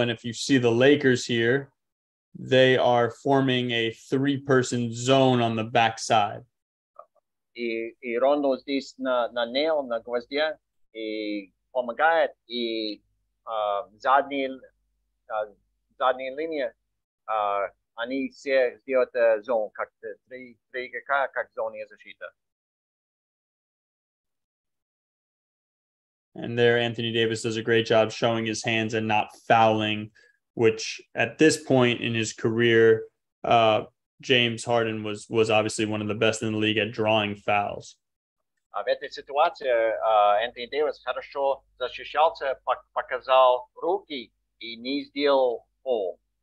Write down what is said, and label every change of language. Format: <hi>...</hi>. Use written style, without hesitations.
<en>And if you see the Lakers here, they are forming a three-person zone on the backside.</en> <ru>И Rondo здесь на nail, на гвозде. Помогает и задняя линия, они все сделают зон, как три игрока, как зоны защиты.</ru> <en>And there Anthony Davis does a great job showing his hands and not fouling, which at this point in his career, James Harden was obviously one of the best in the league at drawing fouls.</en> <ru>В этой ситуации Энтони Дэвис хорошо защищался, показал руки и не сделал фол.</ru>